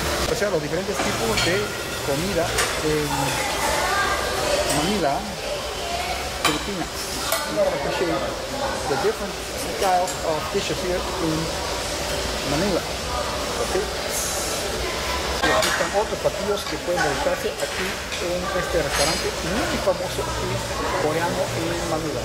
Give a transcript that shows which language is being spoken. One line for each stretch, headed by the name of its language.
Spanish: O sea, los diferentes tipos de comida en Manila, Filipinas.
English: I appreciate the different styles of dishes here in Manila. Okay.
Spanish: Aquí están otros platillos que pueden visitarse aquí en este restaurante muy famoso y coreano en Manila.